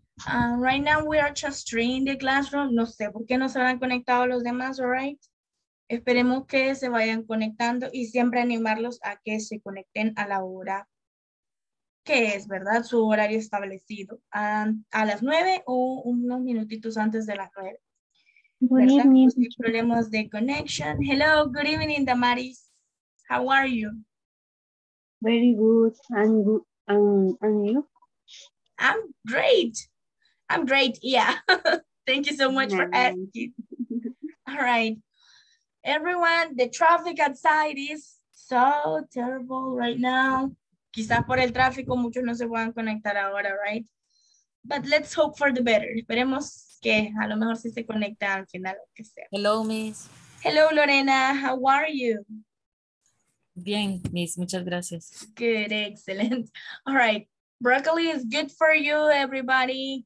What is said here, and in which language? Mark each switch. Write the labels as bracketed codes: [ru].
[en] Right now, we are just in the classroom. [es] No sé por qué no se han conectado los demás, [en] all right? [es] Esperemos que se vayan conectando y siempre animarlos a que se conecten a la hora que es, ¿verdad? Su horario establecido, a las 9 o unos minutitos antes de las 9. ¿Verdad? No hay problemas de [en] connection. Hello, good evening, Damaris. How are you? Very good. And you? I'm great. I'm great, yeah. Thank you so much for asking. All right. Everyone, the traffic outside is so terrible right now. [es] Quizás por el tráfico muchos no se puedan conectar ahora, [en] right? But let's hope for the better. [es] Esperemos que a lo mejor sí se conecta al final, lo que sea. [en] Hello, Miss. Hello, Lorena. How are you? [es] Bien, Miss. Muchas gracias. [en] Good, excellent. All right. Broccoli is good for you, everybody.